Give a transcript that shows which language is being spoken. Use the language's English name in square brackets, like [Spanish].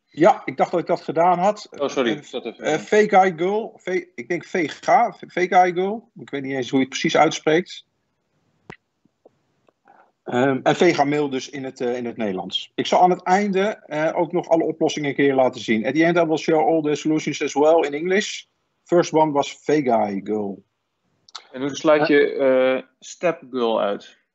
[Dutch] Ja, ik dacht dat ik dat gedaan had. Oh, sorry. Vega-gul. Ik denk Vega. Vega-gul. Ik weet niet eens hoe je het precies uitspreekt. En Vegameel dus in het Nederlands. Ik zal aan het einde ook nog alle oplossingen een keer laten zien. [English] At the end I will show all the solutions as well in English. First one was Vegagirl. [Dutch] En hoe sluit je Stepgirl uit?